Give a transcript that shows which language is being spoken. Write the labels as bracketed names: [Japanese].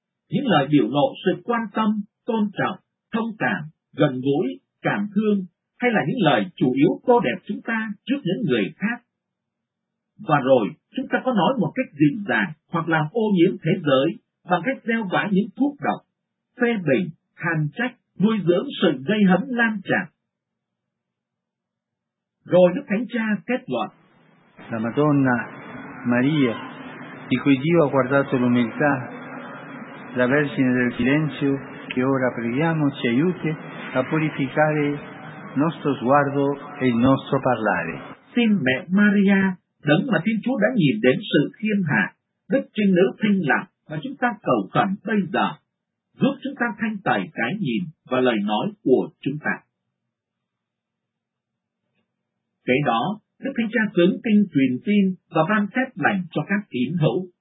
[Vietnamese] Những lời biểu lộ sự quan tâm, tôn trọng, thông cảm, gần gũi, cảm thương, hay là những lời chủ yếu tô đẹp chúng ta trước những người khác? và rồi chúng ta có nói một cách dịu dàng hoặc làm ô nhiễm thế giới bằng cách gieo vã những thuốc độc, phê bình, hàn trách, nuôi dưỡng sự gây hấn lan tràn. Rồi Đức Thánh Cha kết luận: [Italian] La Madonna Maria, di cui Dio ha guardato l'umiltà, la Vergine del Silenzio, che ora preghiamo ci aiuti a purificare nostro sguardo e il nostro parlare. [Vietnamese] Xin mẹ Maria, đấng mà Thiên Chúa đã nhìn đến sự thiên hạ, Đức Trinh Nữ thanh lọc mà chúng ta cầu khẩn bây giờ, giúp chúng ta thanh tẩy cái nhìn và lời nói của chúng ta. Kế đó, Đức Thánh Cha tướng kinh truyền tin và ban phép lành cho các tín hữu.